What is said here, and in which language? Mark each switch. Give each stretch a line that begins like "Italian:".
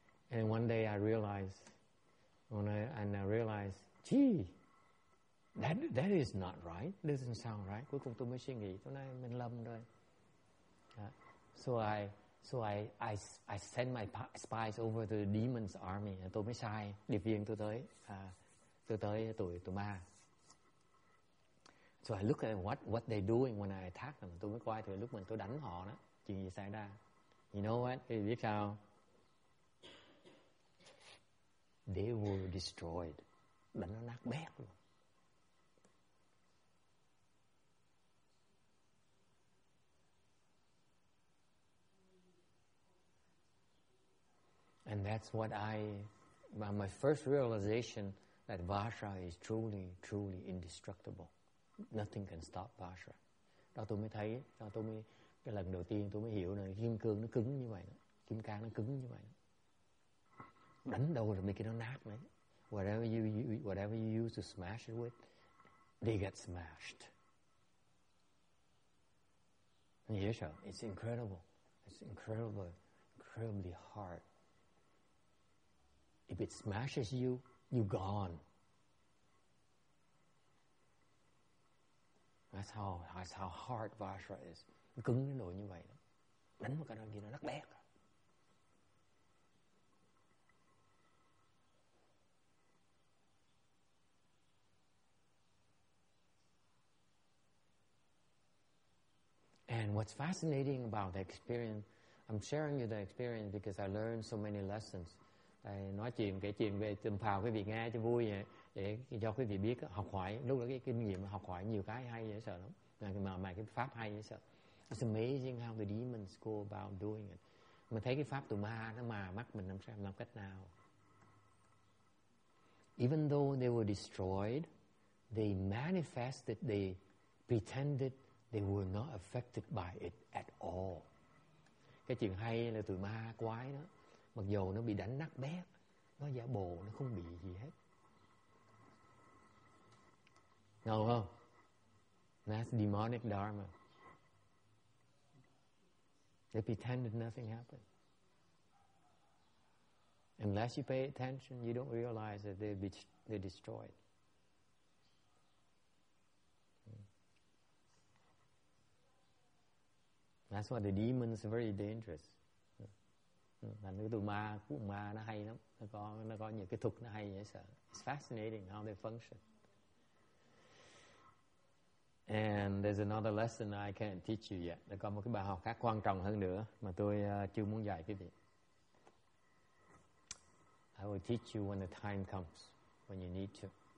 English: And one day I realized, gee, that is not right, doesn't sound right.
Vietnamese: Cuối cùng tôi mới suy nghĩ, tối nay mình lầm rồi.
English: So I send my spies over to the demon's army.
Vietnamese: Tôi mới sai điệp viên tôi tới tụi ma.
English: So I look at what they doing when I attack them.
Vietnamese: Tôi mới coi thử lúc mình tôi đánh họ đó chuyện gì xảy ra.
English: You know what?
Vietnamese: Thì biết sao?
English: They were destroyed.
Vietnamese: Đánh nó nát bét luôn.
English: And that's what my first realization that Vajra is truly, truly indestructible. Nothing can stop Vajra.
Vietnamese: Đó tôi mới thấy, đó tôi mới, cái lần đầu tiên tôi mới hiểu là kim cương nó cứng như vậy, đó. Kim cang nó cứng như vậy. Đó. Đánh đâu rồi mấy cái nó nát đấy.
English: Whatever you use to smash it with, they get smashed. Yes, it's incredible. It's incredible, incredibly hard. If it smashes you, you're gone. That's how hard Vajra is.
Vietnamese: Cứng đến nỗi như vậy. Đánh một cái đó kia nó nát bét.
English: And what's fascinating about the experience, I'm sharing you the experience because I learned so many lessons.
Vietnamese: Đây, nói chuyện kể chuyện về tâm phào quý vị nghe cho vui vậy, để cho quý vị biết học hỏi, lúc đó cái kinh nghiệm học hỏi nhiều cái hay dễ sợ lắm, mà cái pháp hay dễ sợ.
English: It's amazing how the demons go about doing it.
Vietnamese: Mình thấy cái pháp tụi ma nó mà mắt mình làm cách nào.
English: Even though they were destroyed, they manifested, they pretended they were not affected by it at all.
Vietnamese: Cái chuyện hay là từ ma quái đó, mặc dù nó bị đánh nát bét, nó giả bộ, nó không bị gì hết. Ngầu không?
English: That's demonic dharma. They pretended nothing happened. Unless you pay attention, you don't realize that they're destroyed. That's why the demons are very dangerous.
Vietnamese: Thành cái tụi ma, cuộc ma nó hay lắm. Nó có những cái thuật nó hay dễ sợ.
English: It's fascinating how they function. And there's another lesson I can't teach you yet.
Vietnamese: Nó có một cái bài học khác quan trọng hơn nữa mà tôi chưa muốn dạy quý vị.
English: I will teach you when the time comes, when you need to.